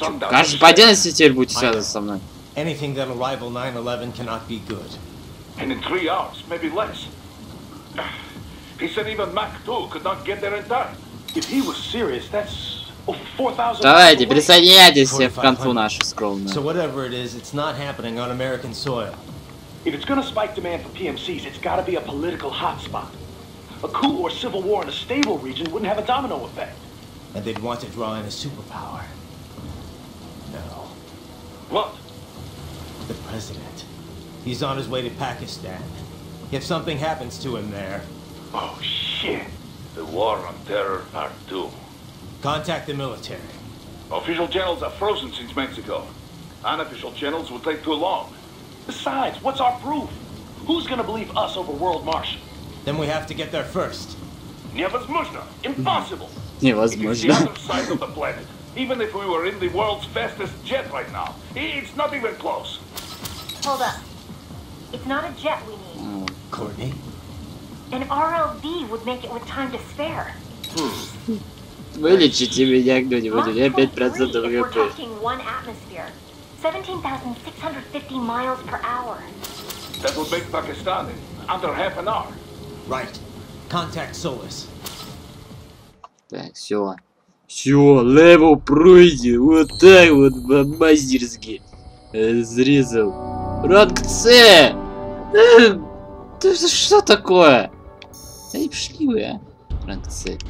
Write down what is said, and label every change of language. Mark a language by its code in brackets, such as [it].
[ru] Кажется, по отдельности теперь будете связаться со мной. [en] Anything that will rival 9/11 cannot be good. And in 3 hours, maybe less. He said even Mach 2 could not get there in time. If he was serious, that's over 4,000. [ru] Давайте присоединяйтесь в конфу нашу скромную. [en] So whatever it is, it's not happening on American soil. If it's gonna spike demand for PMCs, it's gotta be a political hotspot. A coup or civil war in a stable region wouldn't have a domino effect. And they'd want to draw in a superpower. What? The president. He's on his way to Pakistan. If something happens to him there... Oh, shit. The War on Terror Part 2. Contact the military. Official channels are frozen since Mexico. Unofficial channels will take too long. Besides, what's our proof? Who's gonna believe us over World Marshal? Then we have to get there first. [ru] Невозможно! [en] Impossible! [ru] Невозможно. [en] It's the other side of the planet. Even if we were in the world's fastest jet right now, it's not even close. Hold up. It's not a jet we need. Courtney? An RLD would make it with time to spare. [ru] Вылечите меня кто-нибудь, я 5% в ГП. [en] We're talking one atmosphere. 17,650 miles per hour. That would make Pakistan in under half an hour. Right. Contact Solus. [ru] Так, все. Всё, левел пройди, вот так вот, бомбазерски, зрезал. Ранг С! Да что такое? Да не пошли вы, а? Ранг С.